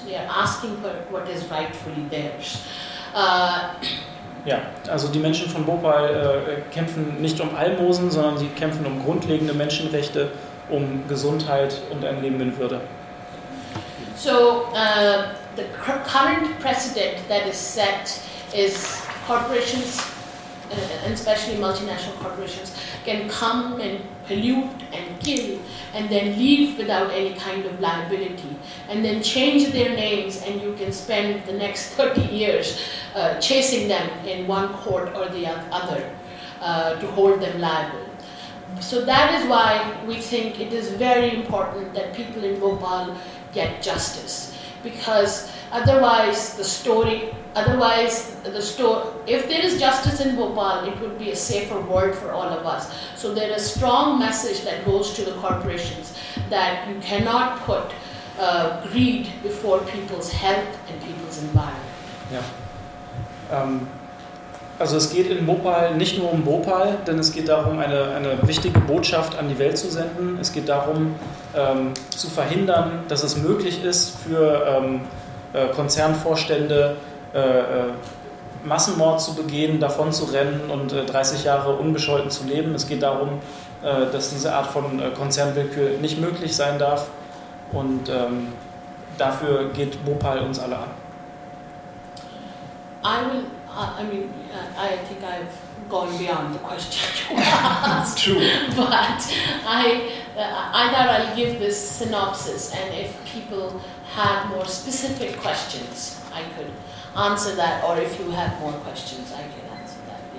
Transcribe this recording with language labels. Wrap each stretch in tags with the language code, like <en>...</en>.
<en>They are asking for what is rightfully theirs.</en> <de>Ja, also die Menschen von Bhopal kämpfen nicht um Almosen, sondern sie kämpfen um grundlegende Menschenrechte, um Gesundheit und ein Leben in Würde.</de> <en>So, the current precedent that is set is corporations, and especially multinational corporations, can come and pollute and kill and then leave without any kind of liability and then change their names and you can spend the next 30 years chasing them in one court or the other to hold them liable. So that is why we think it is very important that people in Bhopal get justice, because if there is justice in Bhopal, it would be a safer world for all of us. So there is a strong message that goes to the corporations that you cannot put greed before people's health and people's environment.</en> <de>Ja. Also es geht in Bhopal nicht nur um Bhopal, denn es geht darum, eine wichtige Botschaft an die Welt zu senden. Es geht darum, zu verhindern, dass es möglich ist für Konzernvorstände Massenmord zu begehen, davon zu rennen und 30 Jahre unbescholten zu leben. Es geht darum, dass diese Art von Konzernwillkür nicht möglich sein darf, und dafür geht Bhopal uns alle an.</de> <en>I think I've gone beyond the question you asked. True. But I thought I'll give this synopsis, and if people have more specific questions, I could answer that, or if you have more questions, I can answer that.</en>